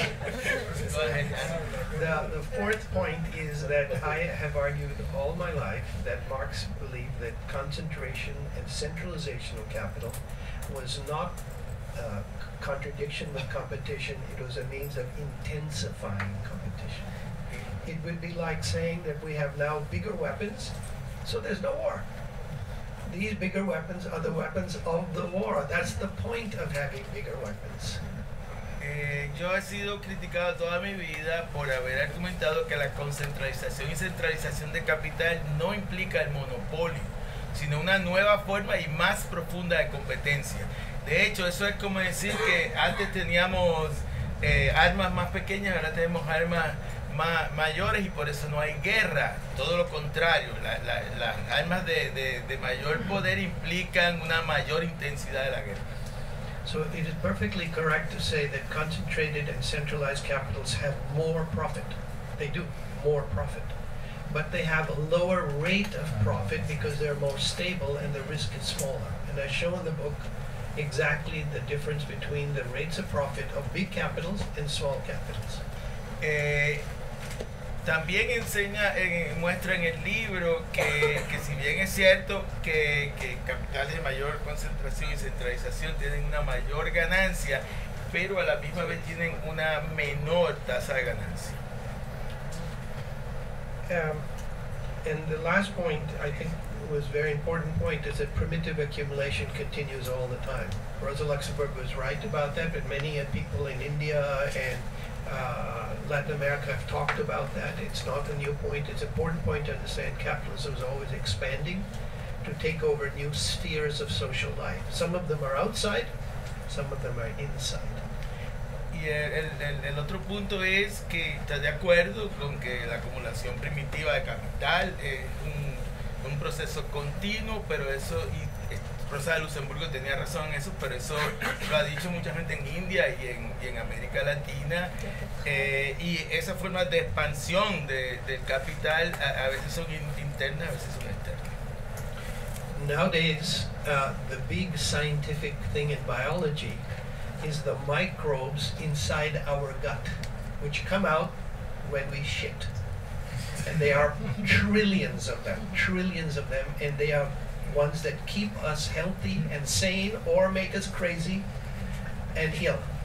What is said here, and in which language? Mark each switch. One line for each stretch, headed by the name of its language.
English: The fourth point is that I have argued all my life that Marx believed that concentration and centralization of capital was not a contradiction with competition, it was a means of intensifying competition. It would be like saying that we have now bigger weapons, so there's no war. These bigger weapons are the weapons of the war. That's the point of having bigger weapons.
Spanish: Yo he sido criticado toda mi vida por haber argumentado que la concentralización y centralización de capital no implica el monopolio, sino una nueva forma y más profunda de competencia. De hecho, eso es como decir que antes teníamos armas más pequeñas, ahora tenemos armas más mayores y por eso no hay guerra. Todo lo contrario, las armas de mayor poder implican una mayor intensidad de la guerra.
English: So it is perfectly correct to say that concentrated and centralized capitals have more profit. They do, more profit. But they have a lower rate of profit because they're more stable and the risk is smaller. And I show in the book exactly the difference between the rates of profit of big capitals and small capitals.
Spanish: También enseña, muestra en el libro que si bien es cierto que capitales de mayor concentración y centralización tienen una mayor ganancia, pero a la misma vez tienen una menor tasa de ganancia.
English: And the last point, I think, was very important point, is that primitive accumulation continues all the time. Rosa Luxemburg was right about that, but many people in India and Latin America have talked about that. It's not a new point. It's an important point to understand capitalism is always expanding to take over new spheres of social life. Some of them are outside, some of them are inside.
Spanish: Y el otro punto es que está de acuerdo con que la acumulación primitiva de capital es un proceso continuo, pero eso, y Rosa de Luxemburgo tenía razón en eso, pero eso lo ha dicho mucha gente en India y en América Latina. Y esas formas de expansión del capital a veces son internas, a veces son externas.
English: Nowadays, the big scientific thing in biology is the microbes inside our gut, which come out when we shit. And they are trillions of them, and they are ones that keep us healthy and sane or make us crazy and heal.